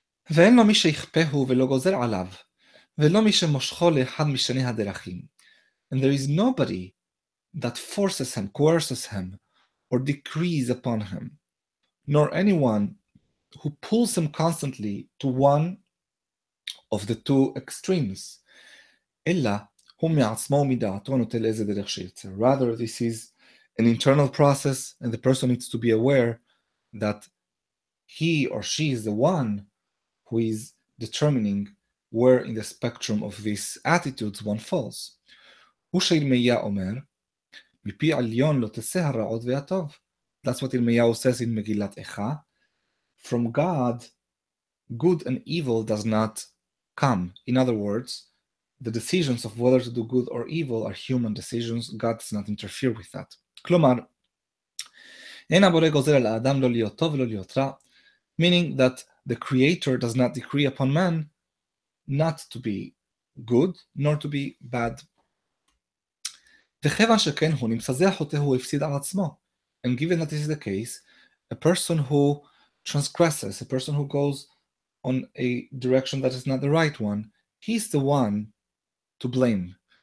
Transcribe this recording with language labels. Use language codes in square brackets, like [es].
[he] ואין לו מי שיכפהו ולא גוזר עליו, ולא מי שמושכו לאחד משני הדרכים. [en] And there is nobody that forces him, coerces him, or decrees upon him, nor anyone who pulls him constantly to one of the two extremes. [he] Ella, הוא מעצמו ומדעתו נוטה לאיזה דרך שירצה. [en] Rather, this is an internal process, and the person needs to be aware that he or she is the one who is determining where in the spectrum of these attitudes one falls. [he] הוא שירמיה אומר, מפי עליון לא תסה הרעות והטוב. [en] That's what ירמיהו says in מגילת איכה. From God, good and evil does not come. In other words, the decisions of whether to do good or evil are human decisions. God does not interfere with that. [he] כלומר, אין הבורא גוזר על האדם לא להיות טוב ולא להיות רע, [en] meaning that the Creator does not decree upon man not to be good nor to be bad. [he] וכיוון שכן הוא נמצא זה החוטא הוא הפסיד על עצמו. [en] And given that this is the case, a person who transgresses, a person who goes on a direction that is not the right one, he's the one to blame.